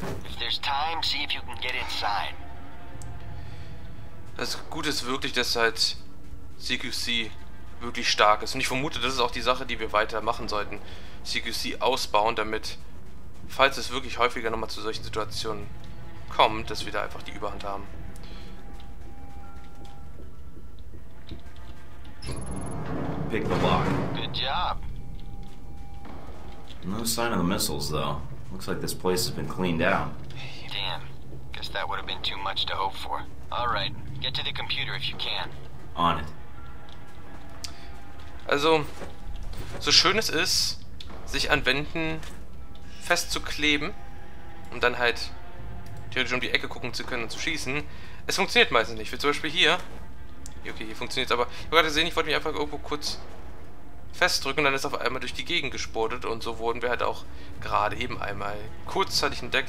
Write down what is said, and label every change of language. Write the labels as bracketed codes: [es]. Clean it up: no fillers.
[en] If there's time, see if you can get inside. [de] Das Gute ist wirklich, dass halt CQC wirklich stark ist. Und ich vermute, das ist auch die Sache, die wir weiter machen sollten. CQC ausbauen, damit, falls es wirklich häufiger nochmal zu solchen Situationen kommt, dass wir da einfach die Überhand haben. [en] pick the lock. Good job. No sign of the missiles, though. Looks like this place has been cleaned out. Damn. Guess that would have been too much to hope for. All right, get to the computer if you can. On it. [de] Also, so schön es ist, sich an Wänden festzukleben und dann halt theoretisch um die Ecke gucken zu können und zu schießen, es funktioniert meistens nicht. Wie zum Beispiel hier. Okay, hier funktioniert es aber. Ich habe gerade gesehen, ich wollte mich einfach irgendwo kurz festdrücken, dann ist auf einmal durch die Gegend gesportet und so wurden wir halt auch gerade eben einmal kurzzeitig entdeckt.